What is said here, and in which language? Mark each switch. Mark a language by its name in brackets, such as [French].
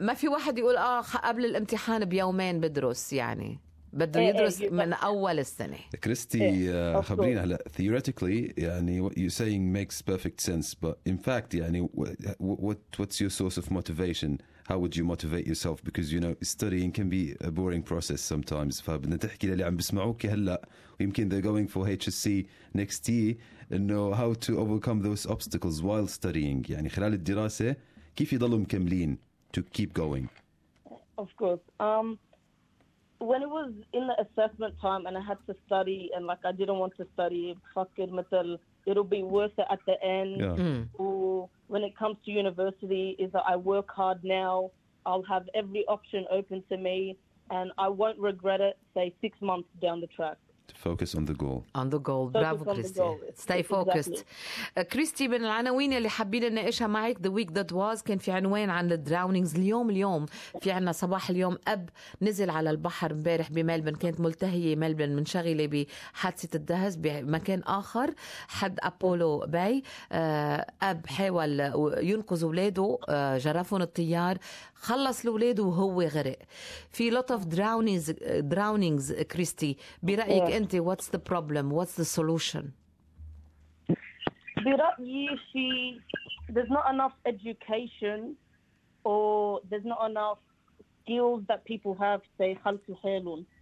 [Arabic] ما في واحد يقول قبل الامتحان بيومين بدرس، يعني بده يدرس من أول السنة. كريستي خبرينا هلا، [English] theoretically يعني what you're saying makes perfect sense, but in fact يعني what's your source of motivation? How would you motivate yourself? Because you know studying can be a boring process sometimes. [Arabic] فبدنا تحكي للي عم بسمعوك هلا، ويمكن [English] they're going for HSC next year, and know how to overcome those obstacles while studying. [Arabic] يعني خلال الدراسة كيف يضلوا مكملين [English] to keep going. Of course. When it was in the assessment time and I had to study and like I didn't want to study, fuck it, [Arabic] مثل, [English] it'll be worth it at the end. Or when it comes to university, is that I work hard now, I'll have every option open to me and I won't regret it, say 6 months down the track. Focus on the goal. On the goal. Bravo, Christy. Stay focused. [Arabic] Christy, من العناوين اللي حابين نناقشها معك [English] the week that was [Arabic] كان في عنوان عن [English] the drownings. [Arabic] اليوم في عنا صباح اليوم أب نزل على البحر مبارح بملبن، كانت ملتهية ملبن منشغلة بحادثة الدهس بمكان آخر حد أبولو باي. أب حاول ينقذ أولاده، جرفون الطيار، خلص الأولاد وهو غرق. [English] في lot of drownings Christie, [Arabic] برأيك أنت [English] what's the problem, what's the solution؟ [Arabic] برأيي في [English] there's not enough education or there's not enough skills that people have say [Arabic] خلص الحالون.